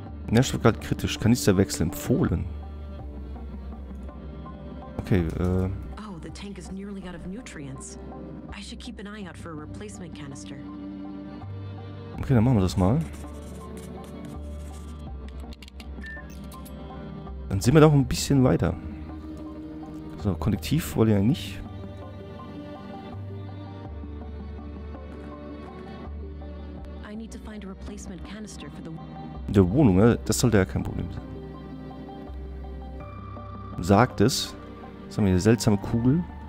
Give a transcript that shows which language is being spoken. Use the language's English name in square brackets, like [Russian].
[German] Nährstoffgehalt kritisch. Kanisterwechsel empfohlen. [English] Okay, Oh, the tank is nearly out of nutrients. I should keep an eye out for a replacement canister. [German] Okay, dann machen wir das mal. Dann sind wir doch ein bisschen weiter. So, Konnektiv wollen wir ja nicht. [English] I need to find a replacement canister for the... [German] Der Wohnung, das sollte ja kein Problem sein. Sagt es. Das haben wir, eine seltsame Kugel.